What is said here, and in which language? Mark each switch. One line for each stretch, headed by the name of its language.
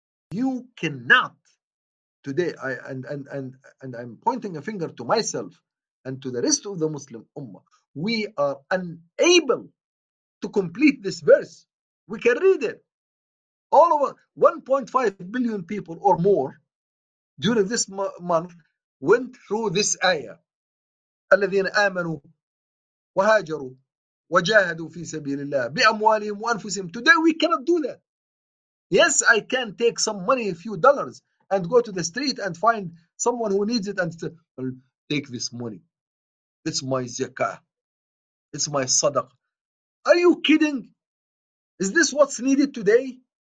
English: You cannot today. I'm pointing a finger to myself and to the rest of the Muslim Ummah. We are unable to complete this verse. We can read it. All over 1.5 billion people or more during this month went through this ayah.
Arabic: الذين آمنوا وهاجروا وجاهدوا في سبيل الله بأموالهم وأنفسهم.
English: Today we cannot do that. Yes, I can take some money, a few dollars, and go to the street and find someone who needs it and take this money. It's my zakah. It's my sadaqah. Are you kidding? Is this what's needed today?